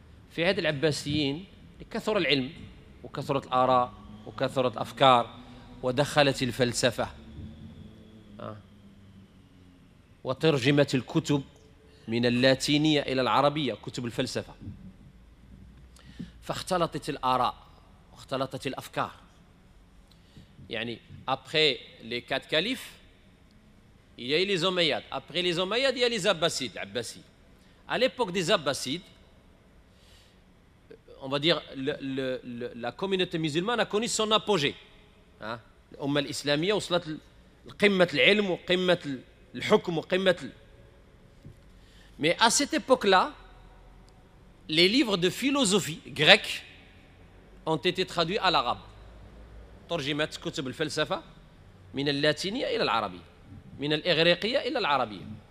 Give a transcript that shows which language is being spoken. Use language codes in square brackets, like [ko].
[ar] في عهد العباسيين كثر العلم وكثرت الآراء وكثرت الأفكار ودخلت الفلسفة وترجمت الكتب من اللاتينية إلى العربية, كتب الفلسفة. فاختلطت الآراء واختلطت الأفكار. [fr] يعني après les quatre califes il y a les Omeyyades, après les Omeyyades il y a les Abbasides, Abbasi. À l'époque des Abbasides, on va dire la communauté musulmane a connu son apogée, l'Umma al-Islamiyya [ar] وصلت لقمة العلم وقمة الحكم وقمة. [fr] Mais à cette époque-là, les livres de philosophie grecque ont été traduits à l'arabe. [ar] Torjimat kutub al-falsafa من اللاتينية إلى العربية، من الإغريقية إلى العربية.